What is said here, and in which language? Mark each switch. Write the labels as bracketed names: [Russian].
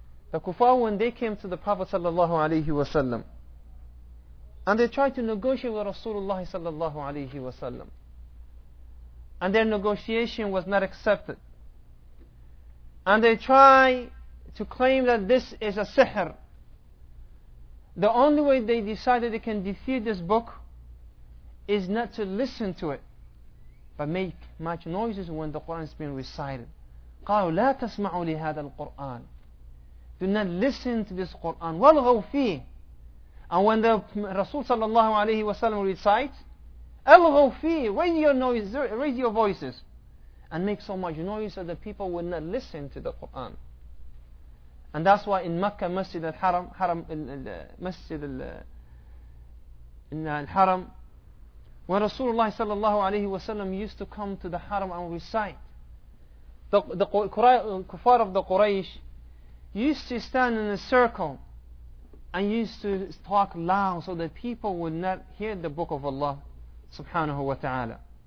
[English] The kuffar, when they came to the Prophet sallallahu alayhi wa sallam, and they tried to negotiate with Rasulullah sallallahu alayhi wa sallam, and their negotiation was not accepted, and they try to claim that this is a sihr, the only way they decided they can defeat this book is not to listen to it, but make much noises when the Quran is being recited. [Arabic] قالوا لا تسمعوا لهذا القرآن. [English] Do not listen to this Quran. [Arabic] وَالْغَوْ فِيهِ. [English] And when the Rasul sallallahu alayhi wa sallam recites, [Arabic] أَلْغَوْ فِيهِ. [English] Raise your noise, raise your voices, and make so much noise that the people will not listen to the Quran. And that's why in Mecca, Masjid al-Haram, Masjid al-Haram, when Rasulullah sallallahu alayhi wa sallam used to come to the Haram and recite, the kuffar of the Quraysh used to stand in a circle and used to talk loud so that people would not hear the book of Allah subhanahu wa ta'ala.